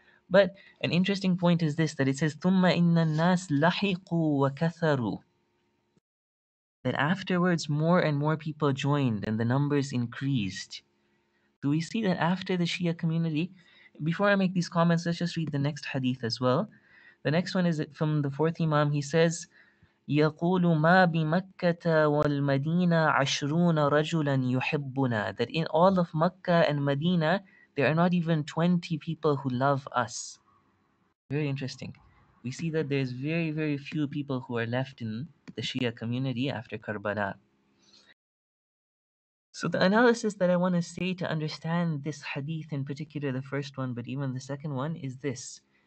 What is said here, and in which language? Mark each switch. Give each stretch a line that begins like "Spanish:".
English: But an interesting point is this, that it says,
Arabic: "Thumma inna nas lahiqu wa katharu."
English: That afterwards more and more people joined and the numbers increased. So we see that after the Shia community, before I make these comments, let's just read the next hadith as well. The next one is from the fourth Imam. He says,
Arabic: يَقُولُ مَا بِمَكَّةَ وَالْمَدِينَ عَشْرُونَ رَجُلًا يُحِبُّنَا.
English: That in all of Mecca and Medina, there are not even 20 people who love us. Very interesting. We see that there's very, very few people who are left in the Shia community after Karbala. So the analysis that I want to say to understand this hadith, in particular the first one, but even the second one, is this.